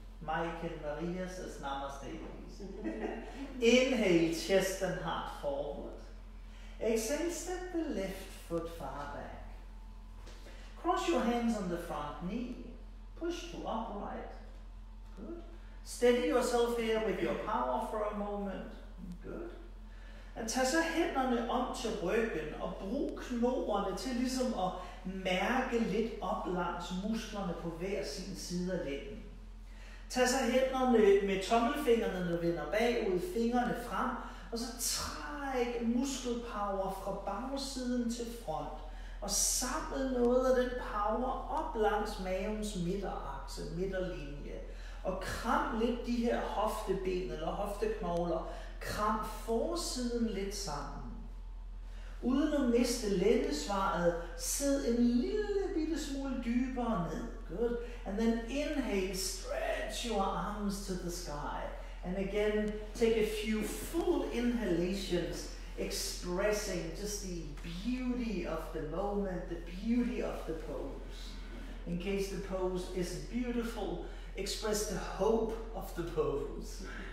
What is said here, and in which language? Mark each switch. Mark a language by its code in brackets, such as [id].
[en] Mike and Maria says namaste, please. Inhale, chest and heart forward. Exhale, step the left foot far back. Cross your hands on the front knee. Push to upright. Good. Steady yourself here with your power for a moment. Good. [da] And tag så hænderne om til ryggen og brug knoglerne til ligesom at mærke lidt op langs musklerne på hver sin side af lænden. Tag så hænderne med tommelfingrene, der vender bagud, fingrene frem, og så træk muskelpower fra bagsiden til front, og samle noget af den power op langs mavens midterakse, midterlinje, og kram lidt de her hofteben eller hofteknogler, kram forsiden lidt sammen. Uden at miste lændesvaret, sid en lille bitte smule dybere ned. [en] Good. And then inhale, stretch your arms to the sky. And again, take a few full inhalations, expressing just the beauty of the moment, the beauty of the pose. In case the pose isn't beautiful, express the hope of the pose.